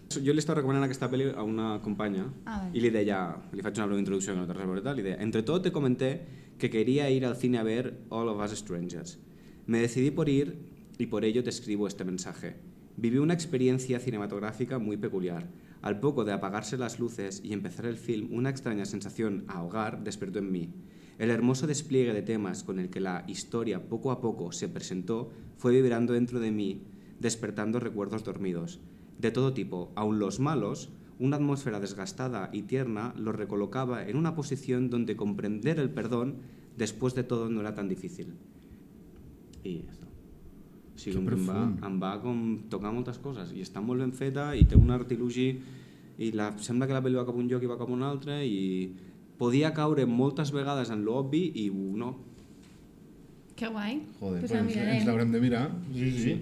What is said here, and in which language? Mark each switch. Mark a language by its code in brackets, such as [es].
[ca] Jo li estava recomanant aquesta pel·li a una companya i li deia, li faig una breu introducció que no té res a veure, li deia, entre tot [es] te comenté que queria ir al cine a ver All of Us Strangers. Me decidí por ir y por ello te escribo este mensaje. Viví una experiencia cinematográfica muy peculiar. Al poco de apagarse las luces y empezar el film, una extraña sensación a ahogar despertó en mí. El hermoso despliegue de temas con el que la historia poco a poco se presentó fue vibrando dentro de mí, despertando recuerdos dormidos. De todo tipo, aun los malos, una atmósfera desgastada y tierna lo recolocaba en una posición donde comprender el perdón después de todo no era tan difícil. Y eso. [ca] O sigui, em va com tocar moltes coses i està molt ben feta i té un artilugi i sembla que la pel·li va cap un lloc i va cap un altre i podia caure moltes vegades en l'obvi i no. Que guai. [es] Joder, pues [ca] ens l'haurem de mirar. Sí.